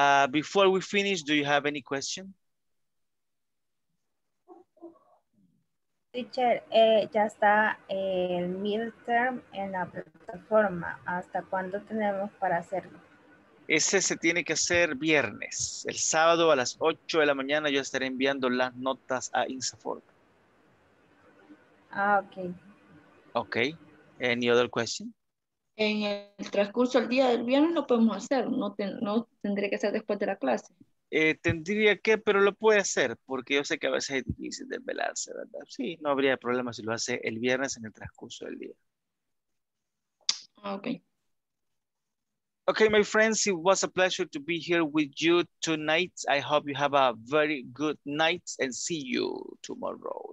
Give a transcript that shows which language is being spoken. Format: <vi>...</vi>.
<en>Before we finish, do you have any question?</en> <es>Teacher, ya está el midterm en la plataforma. ¿Hasta cuándo tenemos para hacerlo? Ese se tiene que hacer viernes. El sábado a las 8 de la mañana yo estaré enviando las notas a INSAFORP. Ah, ok.</es> <en>Ok. Any other question?</en> <es>En el transcurso del día del viernes lo podemos hacer. No tendría que ser después de la clase. Tendría que, pero lo puede hacer, porque yo sé que a veces es difícil desvelarse, ¿verdad? Sí, no habría problema si lo hace el viernes en el transcurso del día. Ok.</es> <en>Okay, my friends, it was a pleasure to be here with you tonight. I hope you have a very good night and see you tomorrow.</en>